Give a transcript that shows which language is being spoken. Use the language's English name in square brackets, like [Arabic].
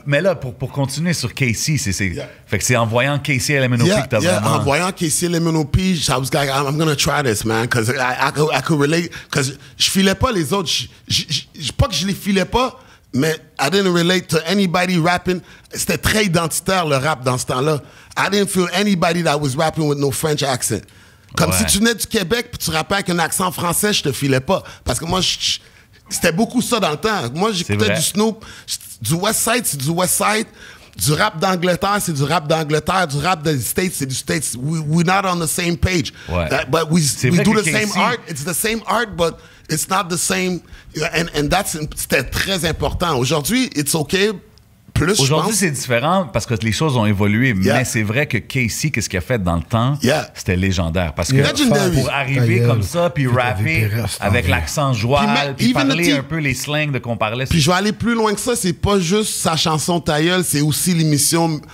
[French] Mais là pour continuer sur Casey, c'est, yeah. fait que c'est en voyant Casey à l'MNOP [English] yeah, [French] que t'as [English] yeah, [French] vraiment. En voyant Casey à l'MNOP, [English] I was like I'm gonna try this man, cause I could relate, cause [French] je filais pas les autres, pas que je les filais pas, mais [English] I didn't relate to anybody rapping. [French] C'était très identitaire le rap dans ce temps-là. [English] I didn't feel anybody that was rapping with no French accent. [French] Comme ouais. si tu venais du Québec puis tu rappais avec un accent français, je te filais pas. Parce que moi, c'était beaucoup ça dans le temps. Moi, j'écoutais du Snoop. Du West Side, c'est du West Side. Du rap d'Angleterre, c'est du rap d'Angleterre. Du rap des States, c'est du States. [English] We're not on the same page. [French] Ouais. [English] But we do the same art. It's the same art, but it's not the same. And that's, [French] c'était très important. Aujourd'hui, [English] it's okay. [French] Plus, aujourd'hui, pense, c'est différent parce que les choses ont évolué, [English] yeah. [French] mais c'est vrai que Casey, qu'est-ce qu'il a fait dans le temps, [English] yeah. [French] c'était légendaire. Parce que pour arriver comme ça, puis rapper avec l'accent joual, puis parler un peu les slangs de qu'on parlait. Puis je vais aller plus loin que ça, c'est pas juste sa chanson Ta gueule, c'est aussi l'émission